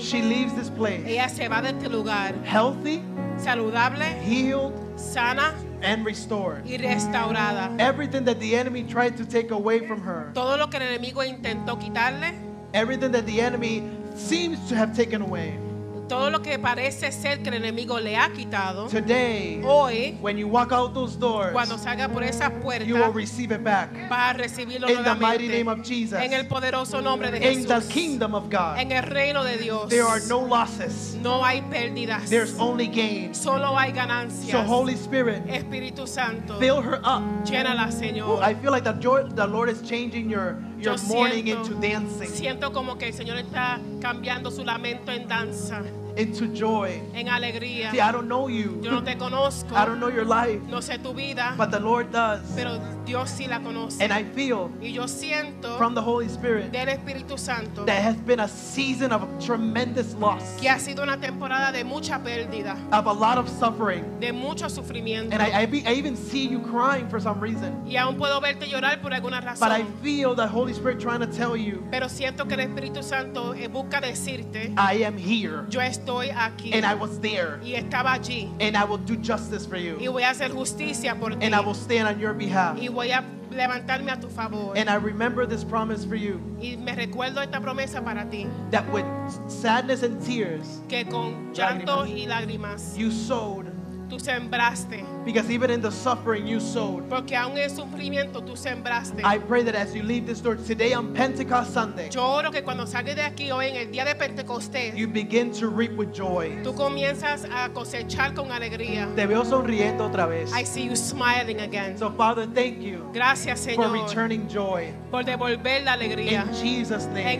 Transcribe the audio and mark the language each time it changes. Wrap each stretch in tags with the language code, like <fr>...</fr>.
<en>she leaves this place</en> <es>ella se va de este lugar</es> <en>healthy,</en> <es>saludable,</es> <en>healed,</en> <es>sana,</es> <en>and restored.</en> <es>Y restaurada.</es> <en>Everything that the enemy tried to take away from her.</en> <es>Todo lo que el enemigo intentó quitarle.</es> <en>Everything that the enemy seems to have taken away.</en> <es>Todo lo que parece ser que el enemigo le ha quitado.</es> <en>Today,</en> <es>hoy,</es> <en>when you walk out those doors,</en> <es>cuando salga por esa puerta,</es> <en>you will receive it back.</en> <es>Va a recibirlo nuevamente.</es> <en>In the mighty name of Jesus.</en> <es>En el poderoso nombre de</es> <en>Jesús. In the kingdom of God.</en> <es>En el reino de Dios.</es> <en>There are no losses.</en> <es>No hay pérdidas.</es> <en>There's only gain.</en> <es>Solo hay ganancias.</es> <en>So Holy Spirit,</en> <es>Espíritu Santo,</es> <en>fill her up.</en> <es>Llénala, Señor.</es> <en>Well, I feel like the Lord is changing your mourning into dancing.</en> <es>Siento como que el Señor está cambiando su lamento en danza.</es> <en>Into joy.</en> <es>En alegría.</es> <en>See, I don't know you.</en> <es>Yo no te conozco.</es> <en>I don't know your life.</en> <es>No sé tu vida.</es> <en>But the Lord does.</en> <es>Pero Dios sí la conoce.</es> <en>And I feel</en> <es>y yo siento</es> <en>from the Holy Spirit</en> <es>del Espíritu Santo</es> <en>that has been a season of tremendous loss.</en> <es>Que ha sido una temporada de mucha pérdida.</es> <en>Of a lot of suffering.</en> <es>De mucho sufrimiento.</es> <en>And I even see you crying for some reason.</en> <es>Y aún puedo verte llorar por alguna razón.</es> <en>But I feel the Holy Spirit trying to tell you.</en> <es>Pero siento que el Espíritu Santo busca decirte.</es> <en>I am here.</en> <es>Yo estoy aquí.</es> <en>And I was there.</en> <es>Y estaba allí.</es> <en>And I will do justice for you.</en> <es>Y voy a hacer justicia por ti.</es> <en>And I will stand on your behalf.</en> <es>Y voy a levantarme a tu favor.</es> <en>And I remember this promise for you.</en> <es>Y me recuerdo esta promesa para ti.</es> <en>That with sadness and tears,</en> <es>que con llanto y lágrimas,</es> <en>you sowed</en> <es>tú sembraste.</es> <en>Because even in the suffering you sowed.</en> <es>Porque aún en sufrimiento tú sembraste.</es> <en>I pray that as you leave this door today on Pentecost Sunday.</en> <es>Yo oro que cuando salgas de aquí hoy en el día de Pentecostés.</es> <en>You begin to reap with joy.</en> <es>Tú comienzas a cosechar con alegría. Te veo sonriendo otra vez.</es> <en>I see you smiling again. So Father, thank you.</en> <es>Gracias, Señor.</es> <en>For returning joy.</en> <es>Por devolver la alegría.</es> <en>In Jesus' name.</en>